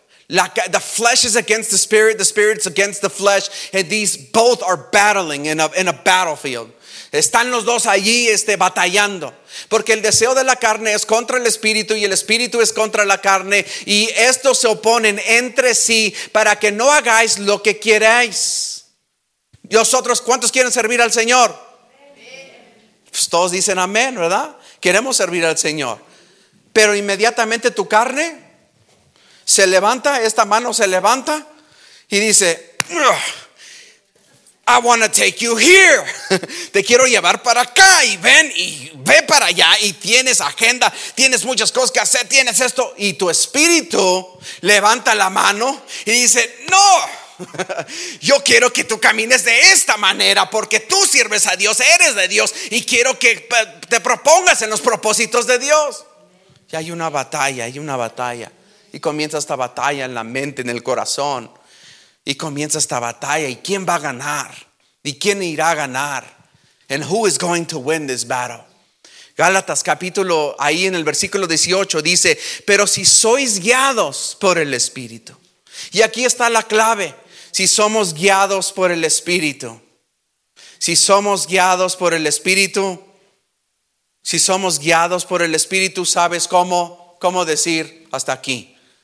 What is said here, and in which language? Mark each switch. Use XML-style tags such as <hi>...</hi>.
<en>The flesh is against the spirit is against the flesh. And these both are battling in a battlefield.</en> <es>Están los dos allí batallando. Porque el deseo de la carne es contra el espíritu y el espíritu es contra la carne. Y estos se oponen entre sí para que no hagáis lo que queráis. ¿Y nosotros cuántos quieren servir al Señor? Pues todos dicen amén, ¿verdad? Queremos servir al Señor. Pero inmediatamente tu carne se levanta, esta mano se levanta y dice:</es> <en>I want to take you here.</en> <es>Te quiero llevar para acá y ven y ve para allá. Y tienes agenda, tienes muchas cosas que hacer, tienes esto. Y tu espíritu levanta la mano y dice: no. Yo quiero que tú camines de esta manera porque tú sirves a Dios, eres de Dios y quiero que te propongas en los propósitos de Dios. Y hay una batalla y comienza esta batalla en la mente, en el corazón. Y comienza esta batalla. ¿Y quién va a ganar? ¿Y quién irá a ganar?</es> <en>And who is going to win this battle?</en> <es>Gálatas capítulo, ahí en el versículo 18 dice, pero si sois guiados por el Espíritu. Y aquí está la clave. Si somos guiados por el Espíritu. Si somos guiados por el Espíritu. Si somos guiados por el Espíritu, ¿sabes cómo decir hasta aquí?</es>